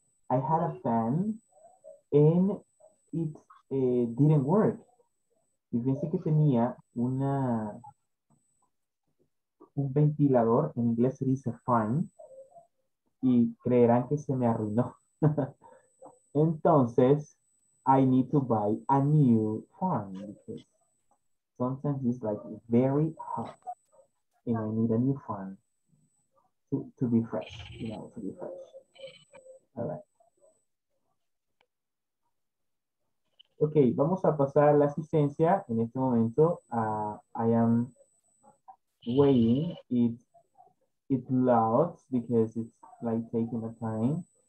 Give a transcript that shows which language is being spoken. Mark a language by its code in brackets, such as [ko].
[en] I had a fan, and it didn't work. [es] Y pensé que tenía una. Un ventilador, en inglés se dice fan, y creerán que se me arruinó. [en] Entonces, I need to buy a new fan, because sometimes it's like very hot, and I need a new fan to be fresh, you know, to be fresh. All right. [es] Okay, vamos a pasar la asistencia en este momento. [en] I am waiting, it loads because it's like taking a time.